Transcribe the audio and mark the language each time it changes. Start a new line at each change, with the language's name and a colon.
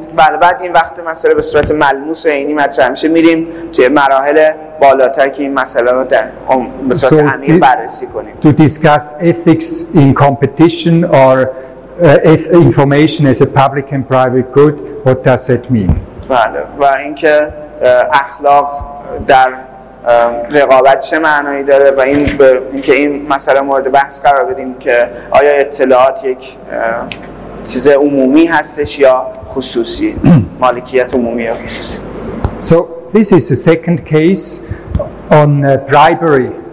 Persian: بله، بعد این وقت مسئله به صورت ملموس و عینی مطرح میشه، میریم توی مراحل بالاتر که این مسئله رو در به صورت عمیق بررسی کنیم.
English: To discuss ethics in competition or information as a public and private good, what does that mean?
Persian: بله، و اینکه اخلاق در رقابت چه معنایی داره، و اینکه این مسئله مورد بحث قرار بدیم که آیا اطلاعات یک چیز عمومی هستش یا خصوصی، مالکیت عمومی یا خصوصی.
English: So this is the second case on bribery.